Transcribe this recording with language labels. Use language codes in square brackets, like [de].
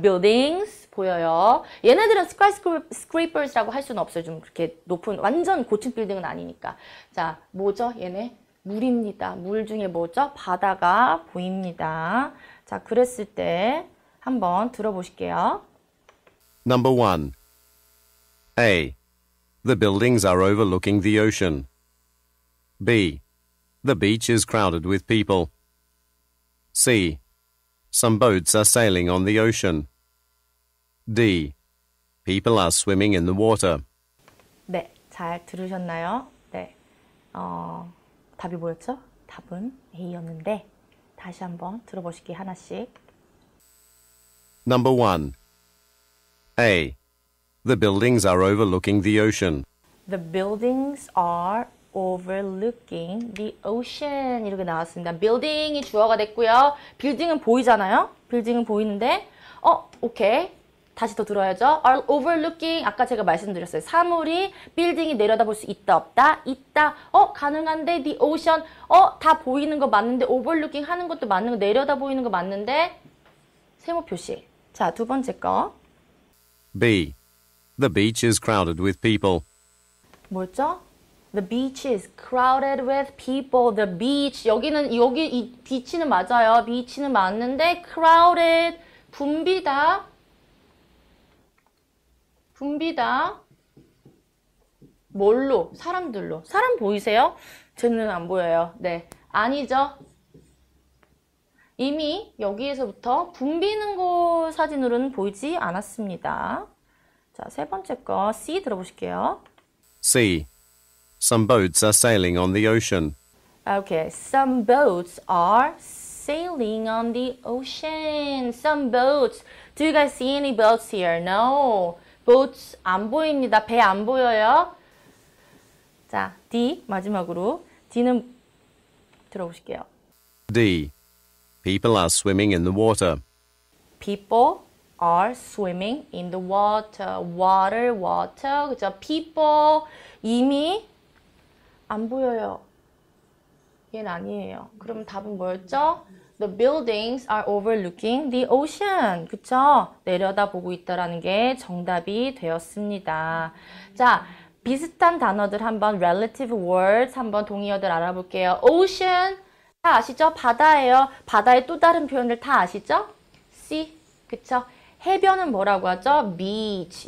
[ko] Buildings 보여요. 얘네들은 skyscrapers라고 할 수는 없어요. 좀 그렇게 높은 완전 고층 빌딩은 아니니까. 자, 뭐죠? 얘네 물입니다. 물 중에 뭐죠? 바다가 보입니다. 자, 그랬을 때 한번 들어보실게요. [en] Number 1. A. The buildings are overlooking the ocean. B. The beach is crowded with people. C. Some boats are sailing on the ocean. D. People are swimming in the water. [ko] 네, 잘 들으셨나요? 네. 답이 뭐였죠? 답은 A였는데 다시 한번 들어보실게 하나씩. [en] Number 1. A. The buildings are overlooking the ocean. The buildings are overlooking the ocean. [ko] 이렇게 나왔습니다. Building이 주어가 됐고요. Building은 보이잖아요? Building은 보이는데, 오케이. 다시 더 들어야죠. [en] Are overlooking. [ko] 아까 제가 말씀드렸어요. 사물이 빌딩이 내려다볼 수 있다 없다? 있다. 가능한데 the ocean. 다 보이는 거 맞는데 overlooking 하는 것도 맞는 거 내려다보이는 거 맞는데 세모 표시. 자, 두 번째 거. [en] B. The beach is crowded with people. [ko] 뭐였죠? [en] The beach is crowded with people. The beach. [ko] 여기 이 비치는 맞아요. 비치는 맞는데 crowded 붐비다. 붐비다. 뭘로? 사람들로. 사람 보이세요? 제 눈은 안 보여요. 네. 아니죠. 이미 여기에서부터 붐비는 곳 사진으로는 보이지 않았습니다. 자, 세 번째 거 C 들어보실게요. [en] C. Some boats are sailing on the ocean. Okay, some boats are sailing on the ocean. Some boats. Do you guys see any boats here? No. [ko] Boats 안 보입니다. 배안 보여요. 자, D 마지막으로. D는 들어보실게요. [en] D. People are swimming in the water. People are swimming in the water. Water, water. [ko] 그죠? People. 이미 안 보여요. 얘는 아니에요. 그럼 답은 뭐였죠? [en] The buildings are overlooking the ocean. [ko] 그쵸? 내려다보고 있다라는 게 정답이 되었습니다. 자, 비슷한 단어들 한번, [en] relative words [ko] 한번 동의어들 알아볼게요. Ocean, 다 아시죠? 바다예요. 바다의 또 다른 표현들 다 아시죠? Sea, 그쵸? 해변은 뭐라고 하죠? Beach.